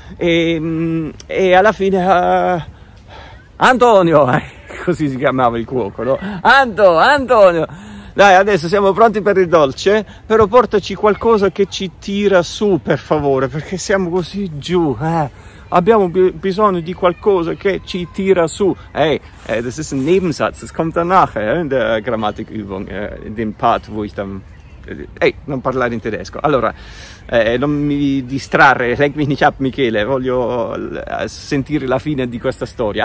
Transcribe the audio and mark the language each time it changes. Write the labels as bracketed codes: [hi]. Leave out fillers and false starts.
[it] E alla fine, Antonio, così si chiamava il cuoco, no? Antonio, dai, adesso siamo pronti per il dolce, però portaci qualcosa che ci tira su, per favore, perché siamo così giù, Abbiamo bisogno di qualcosa che ci tira su. [de] Hey, das ist ein Nebensatz, das kommt danach in der Grammatikübung, in dem Part, wo ich dann... [it] Hey, non parlare in tedesco. Allora, non mi distrarre, [de] leg mich nicht ab, [it] Michele, voglio sentire la fine di questa storia.